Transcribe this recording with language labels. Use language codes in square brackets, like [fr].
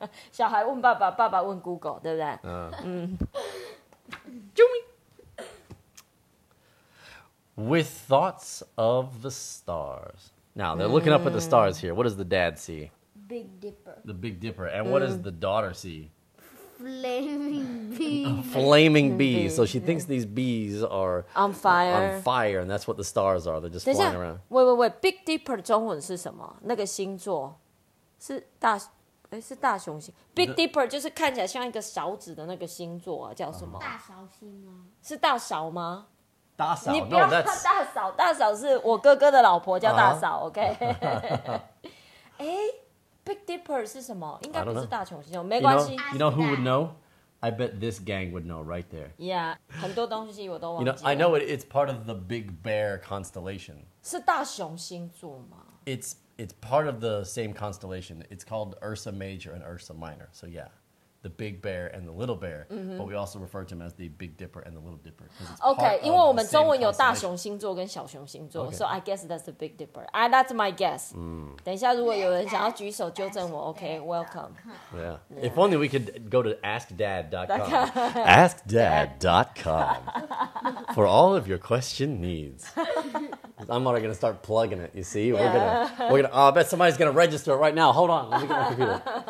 [zh] 小孩问爸爸, 爸爸问Google, 对不对? [en] With thoughts of the stars. Now, they're looking up at the stars here. What does the dad see? Big Dipper. The Big Dipper. And what does the daughter see? Flaming bees. Flaming bees. So she thinks these bees are... On fire. On fire, and that's what the stars are. They're just flying around. Wait. [zh] Big Dipper中文是什么?那个星座?是大熊星? Big Dipper就是看起来像一个勺子的那个星座, 叫什么? 大勺星吗? 是大勺吗? 大嫂, 你不要, [en] no, that's... [zh] 大嫂, 大嫂是我哥哥的老婆叫大嫂, okay? 诶? Big Dipper是什么? 应该不是大熊星座,没关系. [en] You know who would know? I bet this gang would know right there. Yeah, [zh] 很多东西我都忘记了. [en] You know, I know it's part of the Big Bear constellation. [zh] 是大熊星座吗? [en] It's part of the same constellation. It's called Ursa Major and Ursa Minor. So yeah, the Big Bear and the Little Bear. Mm-hmm. But we also refer to them as the Big Dipper and the Little Dipper. [zh] Okay, 因为我们中文有大熊星座跟小熊星座, okay. [en] So I guess that's the Big Dipper. That's my guess. [zh] 等一下如果有人想要举手纠正我, [en] okay, welcome. Yeah. If only we could go to askdad.com. askdad.com for all of your question needs. I'm already going to start plugging it, you see? Yeah. We're gonna. Oh, I bet somebody's going to register it right now. Hold on, let me get my computer.